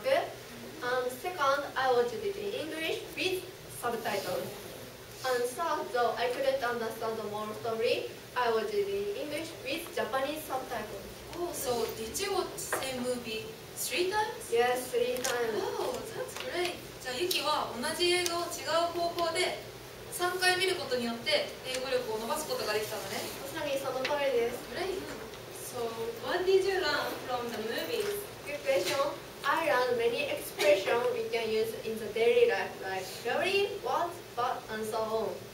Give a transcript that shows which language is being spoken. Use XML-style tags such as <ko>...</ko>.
<en>And second, I watched it in English with subtitle. And third, though I couldn't understand the moral story, I watched it in English with Japanese subtitle. Oh, so did you watch the same movie three times? Yes, three times. Oh, that's great.</en> <ja>じゃあ、ユキは同じ映画を違う方法で3回見ることによって英語力を伸ばすことができたのね。まさにその通りです。</ja> <en>Great. So, what did you learn from the movies? Good question. I learned many expressions we can use in the daily life, like very, what, but, and so on.</en>